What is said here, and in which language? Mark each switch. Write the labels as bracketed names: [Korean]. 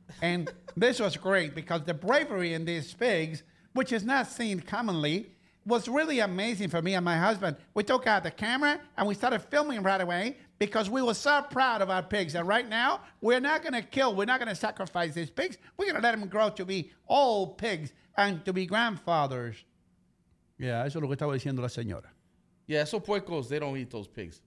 [English] And this was great because the bravery in these pigs, which is not seen commonly, was really amazing for me and my husband. We took out the camera and we started filming right away because we were so proud of our pigs. And right now, we're not going to kill. We're not going to sacrifice these pigs. We're going to let them grow to be old pigs and to be grandfathers. [Spanish] Yeah, eso es lo que estaba diciendo la señora. [English] Yeah, [Spanish] esos puercos, [English] they don't eat those pigs.